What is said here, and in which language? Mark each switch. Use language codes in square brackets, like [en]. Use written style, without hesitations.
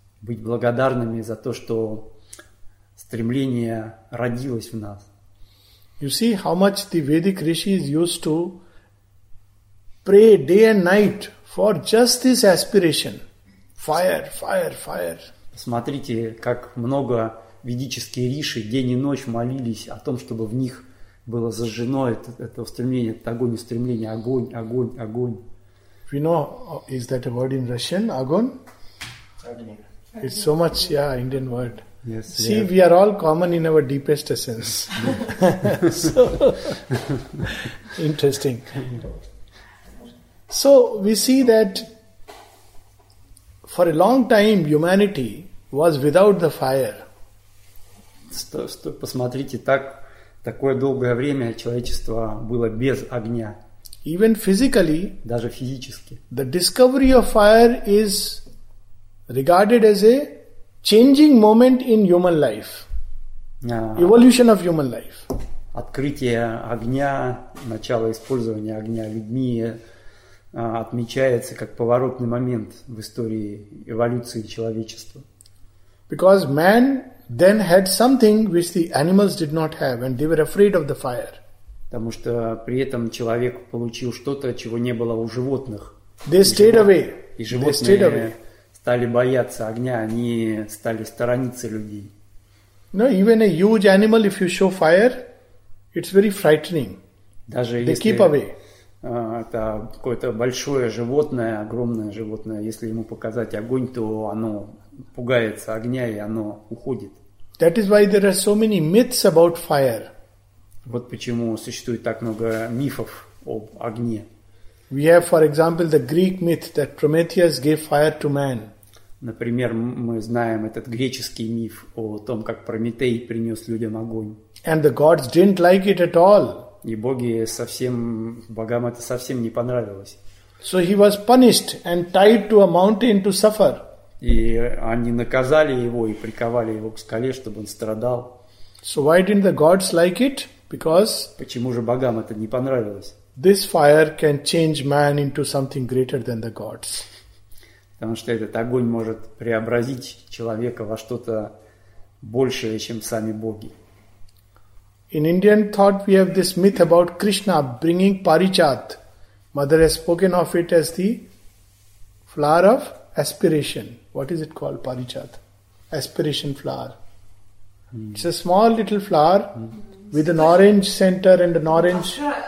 [ru] Быть благодарными за то, что стремление родилось в нас. [en] You see how much the Vedic rishis used to pray day and night for just this aspiration. Fire, fire, fire. [ru] Посмотрите, как много ведические риши день и ночь молились о том, чтобы в них было зажжено это устремление, это огонь, устремление, огонь, огонь, огонь. [en] We know, is that a word in Russian? Agon? Agni. It's so much, yeah, Indian word. Yes. See, yeah. We are all common in our deepest essence. So, interesting. So, we see that for a long time, humanity was without the fire. [ru] Посмотрите, такое долгое время человечество было без огня. [en] Even physically, [ru] даже физически, [en] the discovery of fire is regarded as a changing moment in human life. Evolution of human life. [ru] Открытие огня, начало использования огня людьми отмечается как поворотный момент в истории эволюции человечества. [en] Because man then had something which the animals did not have, and they were afraid of the fire. [ru] Потому что при этом человек получил что-то, чего не было у животных. [en] They stayed away. [ru] И животные стали бояться огня, они стали сторониться людей. [en] No, even a huge animal, if you show fire, it's very frightening. [ru] Даже [en] they [ru] если, [en] keep away. [ru] Это какое-то большое животное, огромное животное, если ему показать огонь, то оно пугается огня и оно уходит. [en] That is why there are so many myths about fire. [ru] Вот почему существует так много мифов об огне. [en] We have, for example, the Greek myth that Prometheus gave fire to man. [ru] Например, мы знаем этот греческий миф о том, как Прометей принес людям огонь. [en] And the gods didn't like it at all. [ru] И боги совсем, богам это совсем не понравилось. [en] So he was punished and tied to a mountain to suffer. [ru] И они наказали его и приковали его к скале, чтобы он страдал. [en] So why didn't the gods like it? Because [ru] почему же богам это не понравилось? [en] This fire can change man into something greater than the gods. [ru] Потому что этот огонь может преобразить человека во что-то большее, чем сами боги. [en] In Indian thought, we have this myth about Krishna bringing Parichat. Mother has spoken of it as the flower of aspiration. What is it called, Parichat? Aspiration flower. Mm. It's a small little flower with an orange center and an orange...